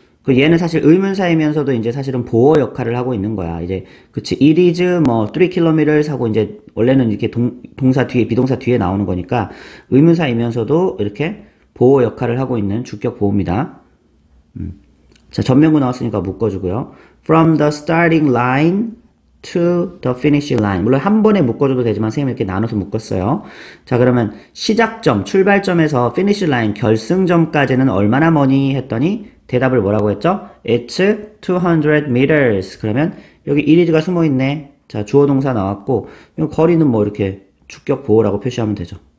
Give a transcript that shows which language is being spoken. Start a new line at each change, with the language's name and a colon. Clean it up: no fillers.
Korean: 그 얘는 사실 의문사이면서도 이제 사실은 보어 역할을 하고 있는 거야. 이제 그치
English: it is
Korean: 뭐 3km 하고 이제 원래는 이렇게 동사 뒤에 비동사 뒤에 나오는 거니까 의문사이면서도 이렇게 보어 역할을 하고 있는 주격 보호입니다. 자 전명구 나왔으니까 묶어주고요.
English: From the starting line to the finish line.
Korean: 물론 한 번에 묶어줘도 되지만 선생님이 이렇게 나눠서 묶었어요. 자 그러면 시작점 출발점에서 finish line 결승점까지는 얼마나 머니 했더니 대답을 뭐라고 했죠?
English: It's 200 meters.
Korean: 그러면 여기 it가 숨어 있네. 자, 주어 동사 나왔고, 이 거리는 뭐 이렇게 주격 보호라고 표시하면 되죠.